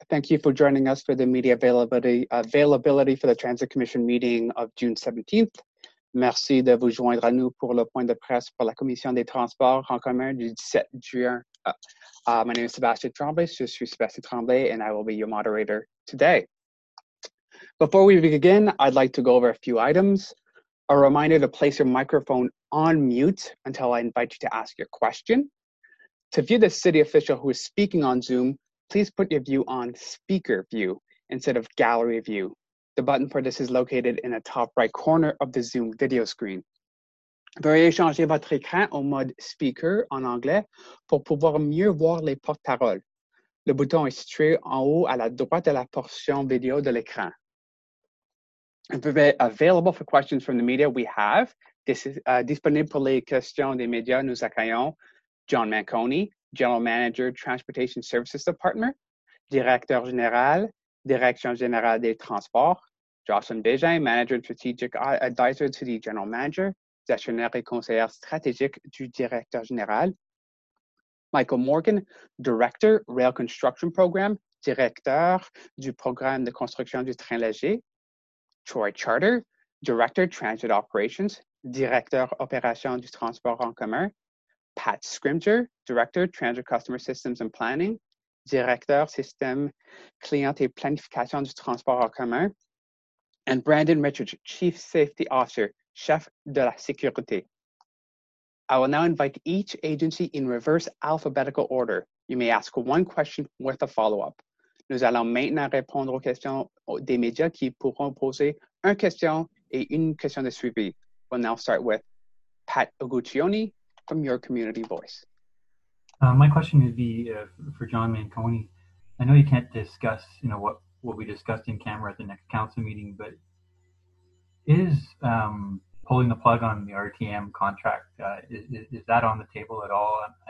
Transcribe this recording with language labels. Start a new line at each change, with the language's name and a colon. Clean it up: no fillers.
English: Thank you for joining us for the media availability for the Transit Commission meeting of June 17th.
French: Merci de vous joindre à nous pour le point de presse pour la Commission des Transports en commun du 7 juin.
English: My name is Sébastien Tremblay.
French: Je suis Sébastien Tremblay,
English: and I will be your moderator today. Before we begin, I'd like to go over a few items. A reminder to place your microphone on mute until I invite you to ask your question. To view the city official who is speaking on Zoom, please put your view on speaker view instead of gallery view. The button for this is located in the top right corner of the Zoom video screen.
French: Veuillez changer votre écran au mode speaker en anglais pour pouvoir mieux voir les porte-paroles. Le bouton est situé en haut à la droite de la portion vidéo de l'écran.
English: Available for questions from the media, we have. This is
French: disponible pour les questions des médias, nous accueillons John Manconi,
English: General Manager, Transportation Services Department,
French: Directeur Général, Direction Générale des Transports, Jocelyn Bégin,
English: Manager Strategic Advisor to the General Manager,
French: Gestionnaire et Conseiller Stratégique du Directeur Général, Michael Morgan,
English: Director, Rail Construction Program,
French: Directeur du Programme de Construction du Train Léger, Troy Charter,
English: Director, Transit Operations,
French: Directeur Opération du Transport en Commun, Pat Scrimger,
English: Director, Transit Customer Systems and Planning,
French: Directeur Système Client et Planification du Transport en Commun,
English: and Brandon Richards, Chief Safety Officer,
French: Chef de la Sécurité.
English: I will now invite each agency in reverse alphabetical order. You may ask one question with a follow-up.
French: Nous allons maintenant répondre aux questions des médias qui pourront poser une question et une question de suivi.
English: We'll now start with Pat Aguccioni, from your community voice. My question would be for John Manconi. I know you can't discuss, you know, what we discussed in camera at the next council meeting, but is pulling the plug on the RTM contract, is that on the table at all?